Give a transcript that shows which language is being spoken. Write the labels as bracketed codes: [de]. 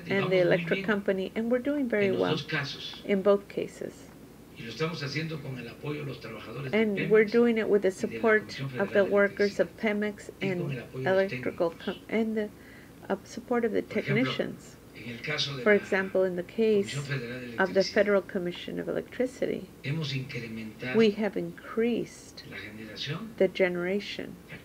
[en] and the electric company, and we're doing very well in both cases. [es] Y lo estamos haciendo con el apoyo de los trabajadores [en] and [es] de Pemex, [en] we're doing it with the support of the workers of Pemex and electrical and the support of the technicians. For example, in the case of the Federal Commission of Electricity, we have increased the generation.